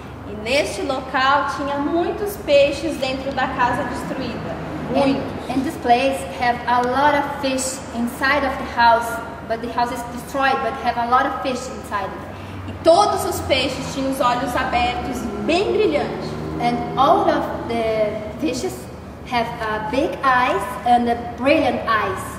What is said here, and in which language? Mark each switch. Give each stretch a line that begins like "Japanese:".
Portuguese: E neste local tinha muitos peixes dentro da casa destruída.
English: And this place have a lot of fish inside of the house, but the house is destroyed, but have a lot of fish inside it.
Portuguese: E todos os peixes tinham os olhos abertos, bem brilhantes.
English: And all of the fishes have a big eyes and a brilliant eyes.